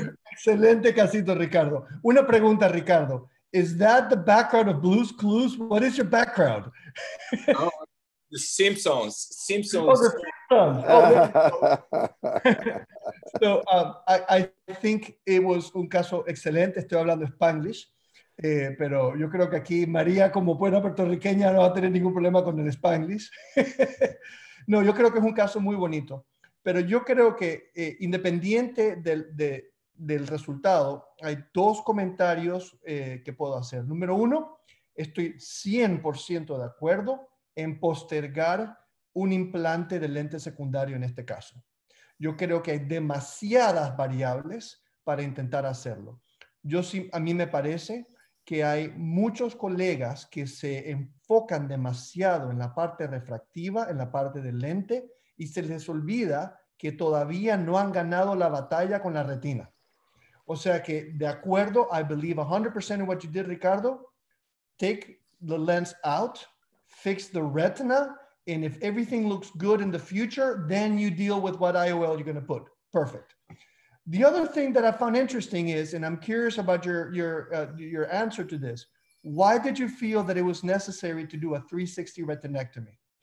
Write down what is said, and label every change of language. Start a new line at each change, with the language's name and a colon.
Spanish: Excelente casito, Ricardo. Una pregunta, Ricardo.
English: Is that the background of Blue's Clues? What is your background? Oh, the Simpsons. Simpsons. Oh, the Simpsons. So I think it was
Spanish: un caso excelente. Estoy hablando Spanglish. Pero yo creo que aquí María, como buena puertorriqueña, no va a tener ningún problema con el Spanglish. No, yo creo que es un caso muy bonito. Pero yo creo que independiente del resultado, hay dos comentarios que puedo hacer. Número uno, estoy 100% de acuerdo en postergar un implante de lente secundario en este caso. Yo creo que hay demasiadas variables para intentar hacerlo. A mí me parece que hay muchos colegas que se enfocan demasiado en la parte refractiva, en la parte del lente, y se les olvida que todavía no han ganado la batalla con la retina. O sea que, de acuerdo,
English: I believe 100% in what you did, Ricardo. Take the lens out, fix the retina, and if everything looks good in the future, then you deal with what IOL you're going to put. Perfect. The other thing that I found interesting is, and I'm curious about your answer to this, why did you feel that it was necessary to do a 360 retinectomy?